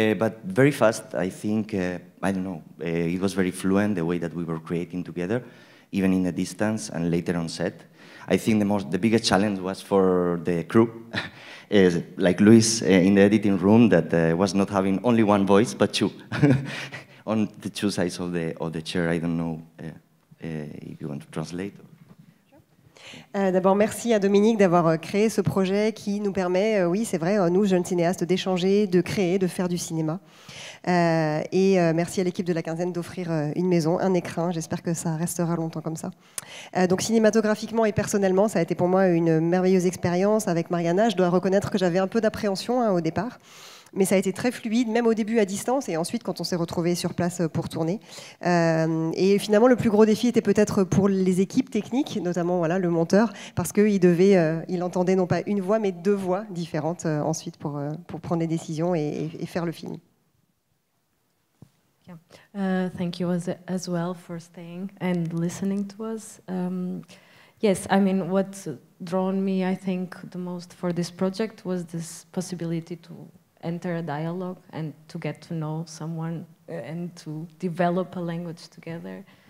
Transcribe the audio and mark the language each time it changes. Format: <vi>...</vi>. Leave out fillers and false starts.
<en>But very fast, I think, it was very fluent, the way that we were creating together, even in the distance and later on set. I think the biggest challenge was for the crew. Is like Luis in the editing room that was not having only one voice but two on the two sides of the chair. I don't know if you want to translate.</en> <fr>D'abord, merci à Dominique d'avoir créé ce projet qui nous permet, oui, c'est vrai, nous, jeunes cinéastes, d'échanger, de créer, de faire du cinéma. Merci à l'équipe de La Quinzaine d'offrir une maison, un écrin. J'espère que ça restera longtemps comme ça. Donc, cinématographiquement et personnellement, ça a été pour moi une merveilleuse expérience avec Mariana. Je dois reconnaître que j'avais un peu d'appréhension au départ. Mais ça a été très fluide, même au début à distance, et ensuite quand on s'est retrouvé sur place pour tourner. Et finalement, le plus gros défi était peut-être pour les équipes techniques, notamment voilà, le monteur, parce qu'il devait, il entendait non pas une voix, mais deux voix différentes ensuite pour prendre les décisions et faire le film.</fr> <en>Yeah. Thank you as well for staying and listening to us. Yes, I mean, what's drawn me, I think, the most for this project was this possibility to enter a dialogue and to get to know someone and to develop a language together.</en>